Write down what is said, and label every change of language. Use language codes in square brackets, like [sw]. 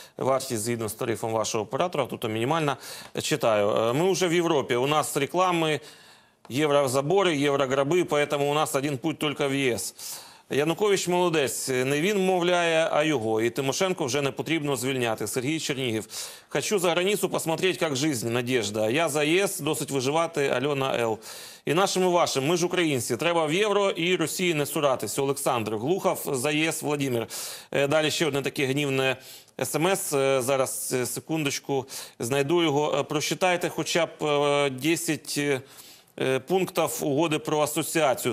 [uk] Вартість згідно з тарифом вашого оператора, тут мінімальна. Читаю. Ми вже в Європі. У нас реклами, єврозабори, єврограби, [ru] поэтому у нас один путь [uk] тільки в ЄС. Янукович молодець. Не він мовляє, а його. І Тимошенко вже не потрібно звільняти. Сергій Чернігів. [ru] Хочу за границу посмотреть, як жизнь, надежда. [uk] Я за ЄС, досить виживати, Альона Л. І нашим і вашим. Ми ж українці. Треба в Євро і Росії не суратись. Олександр Глухов за ЄС, Владимир. Далі ще одне таке гнівне СМС. Зараз, секундочку, знайду його. Прочитайте хоча б 10... пунктів угоди про асоціацію.